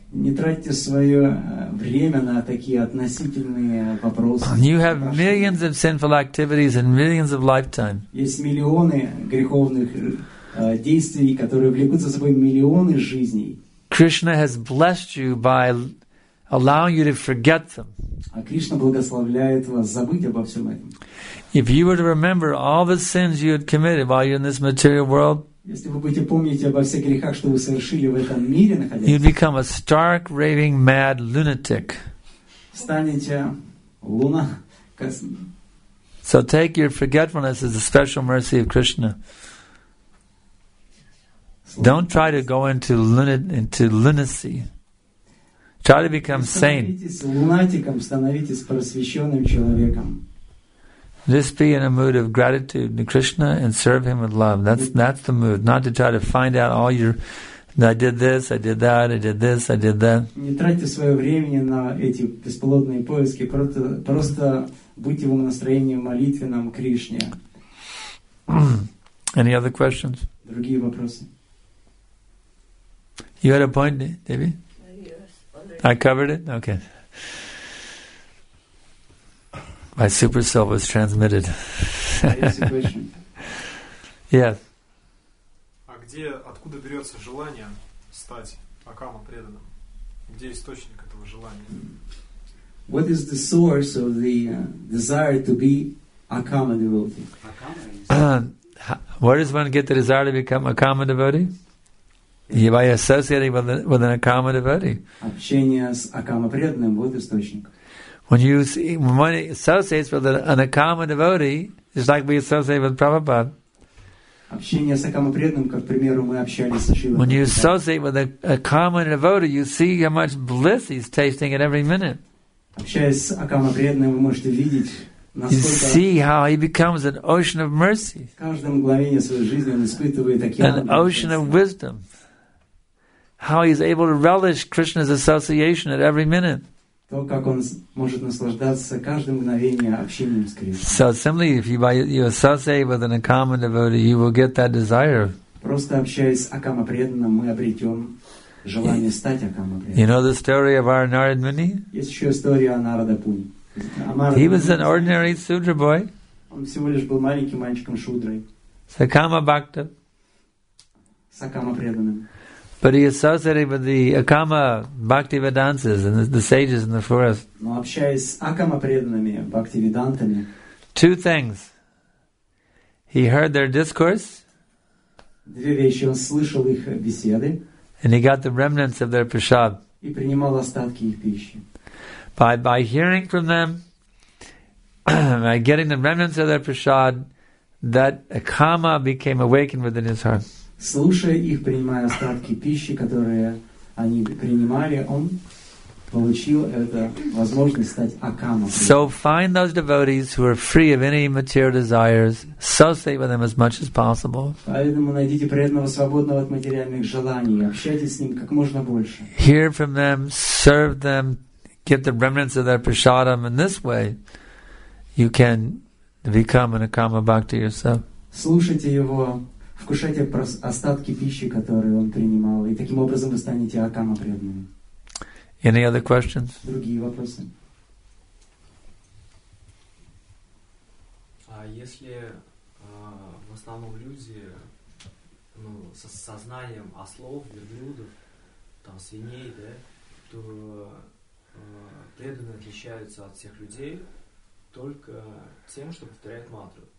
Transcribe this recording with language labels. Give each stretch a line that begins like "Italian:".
Russian: Не тратьте свое время на такие относительные вопросы.
English: You have millions of sinful activities and millions of lifetime.
Russian: Есть миллионы греховных действий, которые влекут за собой миллионы жизней.
English: Krishna has blessed you by allowing you to forget them.
Russian: А Кришна благословляет вас забыть обо всем этом.
English: If you were to remember all the sins you had committed while you're in this material world,
Russian: если вы будете помнить обо всех грехах, что вы совершили в этом мире, находясь,
English: you'd become a stark, raving, mad lunatic.
Russian: Станете луна.
English: So take your forgetfulness as a special mercy of Krishna. Don't try to go into lunacy. Try to become sane.
Russian: Становитесь лунатиком, становитесь просвещенным человеком.
English: Just be in a mood of gratitude to Krishna and serve Him with love. That's the mood. Not to try to find out all your, I did this, I did that, I did this, I did that.
Russian: Не тратьте свое время на эти бесплодные поиски. Просто будьте в настроении молитвенном Кришне.
English: Any other questions?
Russian: Другие вопросы.
English: You had a point, Debbie? Yes. I covered it? Okay. My super soul was transmitted. Yes.
Russian: А где, откуда берется желание стать акама преданным? Где источник этого желания?
English: What is the source of the desire to be akama devotee? Where does one get the desire to become akama devotee? By associating with an akama devotee.
Russian: Общение с акама преданным вот источник.
English: When one associates with an akama devotee, it's like we associate with Prabhupada. When you associate with a akama devotee, you see how much bliss he's tasting at every minute. You see how he becomes an ocean of mercy. An ocean of wisdom. How he's able to relish Krishna's association at every minute.
Russian: То, как он может наслаждаться каждым мгновением общения с Кришной.
English: So simply, if you associate with an akama devotee, you will get that desire.
Russian: Просто общаясь с акама преданным, мы обретем желание стать акама преданным.
English: You know the story of our Narad Muni?
Russian: Есть еще история о Нарада Пуни.
English: He was an ordinary sudra boy.
Russian: Он всего лишь был маленьким мальчиком шудрой. Сакама бхакта. С акама преданным.
English: But he associated with the Akama Bhakti Vedantas and the sages in the forest.
Russian: Но общаясь с Акама преданными Бхакти Ведантами.
English: Two things. He heard their discourse.
Russian: Две вещи. Он слышал их беседы.
English: And he got the remnants of their prasad.
Russian: И принимал остатки их пищи.
English: By hearing from them, by getting the remnants of their prasad, that Akama became awakened within his heart.
Russian: слушая их, принимая остатки пищи, которые они принимали, он получил это возможность стать акама.
English: So find those devotees who are free of any material desires, associate with them as much as possible.
Russian: Поэтому найдите преданного, свободного от материальных желаний, общайтесь с ним как можно больше.
English: Hear from them, serve them, get the remnants of their prasadam. In this way, you can become an akama bhakti yourself.
Russian: Слушайте его, вкушайте остатки пищи, которые он принимал, и таким образом вы станете акама преданными.
English: Any other questions?
Russian: Другие вопросы. А если в основном люди, ну, со сознанием ослов, верблюдов, там свиней, да, то преданные отличаются от всех людей только тем, что повторяют мантру.